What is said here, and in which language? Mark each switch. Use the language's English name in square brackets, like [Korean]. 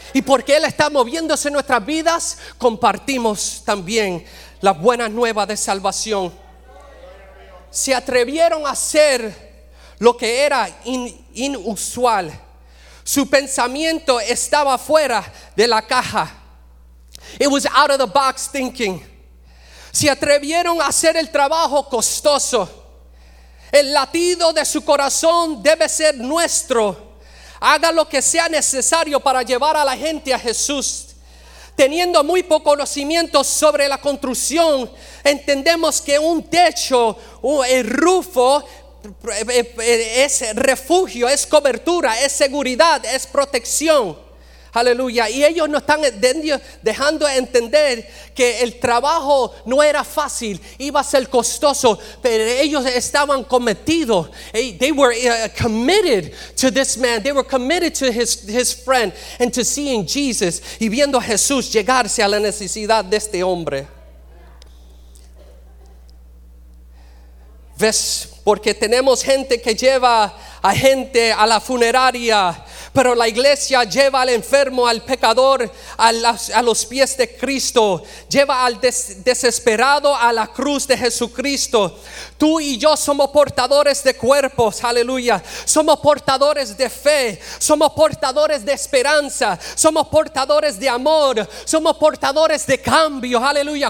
[Spanish] Y porque Él está moviéndose en nuestras vidas, compartimos también la buena nueva de salvación. Se atrevieron a hacer lo que era inusual. Su pensamiento estaba fuera de la caja. [English] It was out of the box thinking. [Spanish] Se atrevieron a hacer el trabajo costoso. El latido de su corazón debe ser nuestro. Haga lo que sea necesario para llevar a la gente a Jesús. Teniendo muy poco conocimiento sobre la construcción, entendemos que un techo, el rufo, es refugio, es cobertura, es seguridad, es protección. Aleluya. Y ellos nos están dejando entender que el trabajo no era fácil, iba a ser costoso, pero ellos estaban cometidos. [English] They were committed to this man. They were committed to his friend and to seeing Jesus, [Spanish] y viendo a Jesús llegarse a la necesidad de este hombre. Ves porque tenemos gente que lleva a gente a la funeraria, pero la iglesia lleva al enfermo, al pecador, a los pies de Cristo, lleva al desesperado a la cruz de Jesucristo. Tú y yo somos portadores de cuerpos, aleluya, somos portadores de fe, somos portadores de esperanza, somos portadores de amor, somos portadores de cambio, aleluya.